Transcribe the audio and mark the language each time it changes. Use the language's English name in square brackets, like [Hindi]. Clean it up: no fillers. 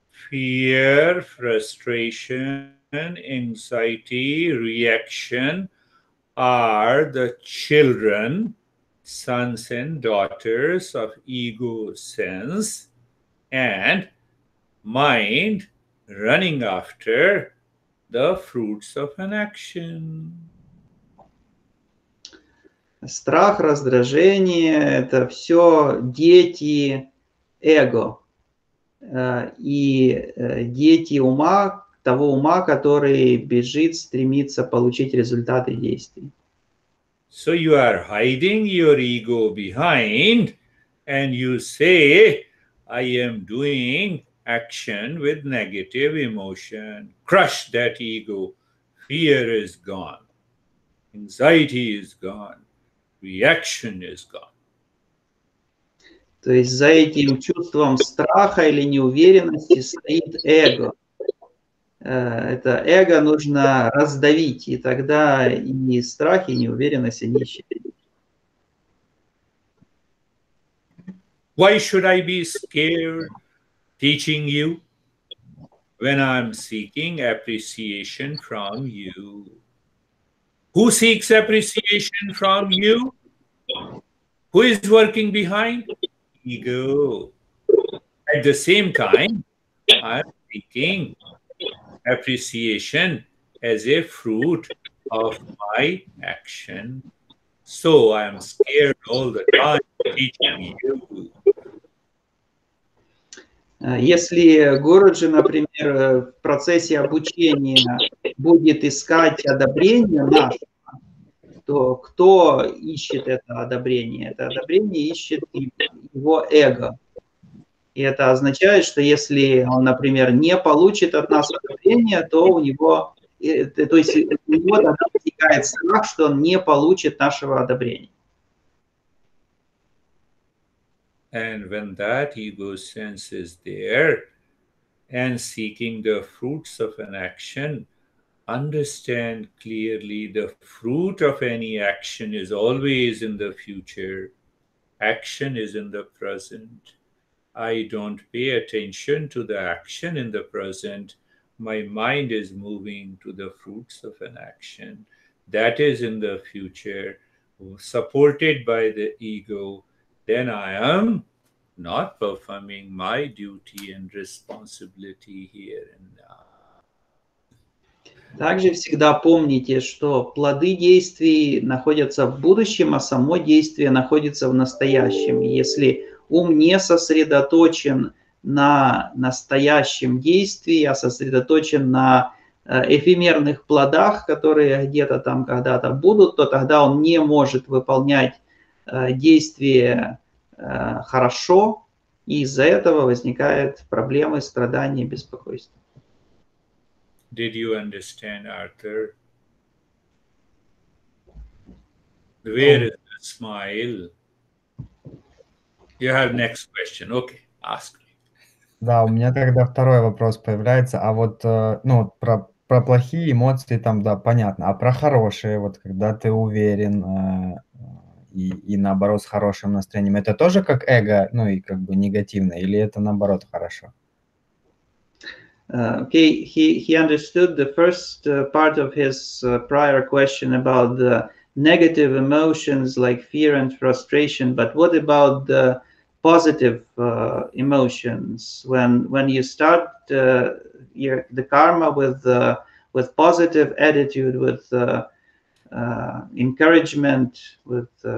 [English] Fear, frustration, anxiety, reaction are the children, sons and daughters of ego sense and mind running after the fruits of an action. [Russian] Страх, раздражение – это все дети эго. И дети ума, того ума, который бежит, стремится получить результаты действий. [English] So you are hiding your ego behind, and you say, I am doing action with negative emotion. Crush that ego. Fear is gone. Anxiety is gone. Reaction is gone. [Russian] То есть за этим чувством страха или неуверенности стоит эго. Это эго нужно раздавить, и тогда и страх, и неуверенность, и нищета. [English] Why should I be scared teaching you when I'm seeking appreciation from you? Who seeks appreciation from you? Who is working behind? Ego. At the same time, I'm seeking appreciation as a fruit of my action. So I'm scared all the time teaching you. [Russian] Если Гуруджи, например, в процессе обучения будет искать одобрение нашего, кто ищет это одобрение? Это одобрение ищет его эго. И это означает, что если он, например, не получит от нас одобрение, то у него, то есть у него возникает страх, что он не получит нашего одобрения. [English] And when that ego sense is there and seeking the fruits of an action, understand clearly the fruit of any action is always in the future. Action is in the present. I don't pay attention to the action in the present. My mind is moving to the fruits of an action that is in the future, supported by the ego. Then I am not performing my duty and responsibility here and now. [Russian] Также всегда помните, что плоды действий находятся в будущем, а само действие находится в настоящем. И если ум не сосредоточен на настоящем действии, а сосредоточен на эфемерных плодах, которые где-то там когда-то будут, то тогда он не может выполнять действие хорошо, и из-за этого возникают проблемы, страдания, беспокойство. [English] Did you understand, Arthur? Where is the smile? You have next question. Okay, ask me. [Russian] Да, у меня тогда второй вопрос появляется. А вот ну, про плохие эмоции там, да, понятно. А про хорошие, вот когда ты уверен и наоборот с хорошим настроением, это тоже как эго, ну и как бы негативно, или это наоборот хорошо? [English] Okay, he understood the first part of his prior question about the negative emotions like fear and frustration, but what about the positive emotions? When you start the karma with positive attitude, with encouragement, with